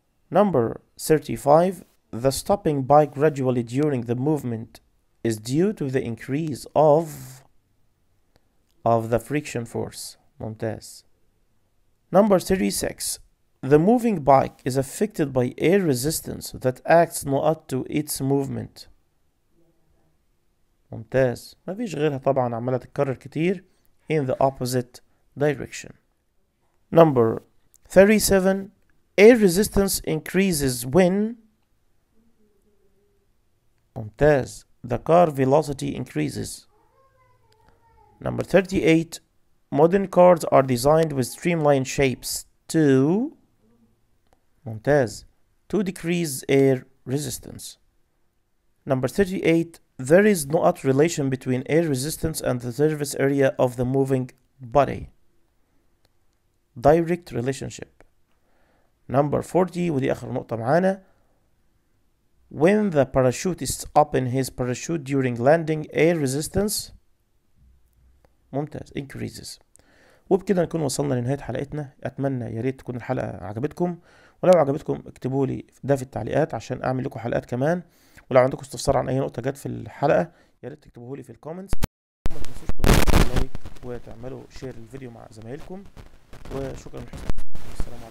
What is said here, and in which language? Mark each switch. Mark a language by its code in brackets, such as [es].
[en] Number 35. The stopping bike gradually during the movement is due to the increase of the friction force. [ar] ممتاز. [en] Number 36. The moving bike is affected by air resistance that acts not to its movement. [ar] ممتاز. ما فيش غيرها طبعا عمالة تتكرر كتير. [en] In the opposite direction. Number 37. Air resistance increases when. [ar] ممتاز. [en] The car velocity increases. Number 38. Modern cars are designed with streamlined shapes to. [ar] ممتاز. [en] To decrease air resistance. Number 38. There is no other relation between air resistance and the surface area of the moving body. Direct relationship. Number 40. [ar] ودي آخر نقطة معانا. [en] When the parachutist opens his parachute during landing, air resistance. [ar] ممتاز. [en] Increases. [ar] وبكده نكون وصلنا لنهاية حلقتنا. أتمنى ياريت تكون الحلقة عجبتكم. ولو عجبتكم اكتبوا لي ده في التعليقات عشان اعمل لكم حلقات كمان. ولو عندكم استفسار عن اي نقطة جت في الحلقة ياريت تكتبوه لي في الكومنتس. وتعملوا شير الفيديو مع زمايلكم، وشكرا لحسن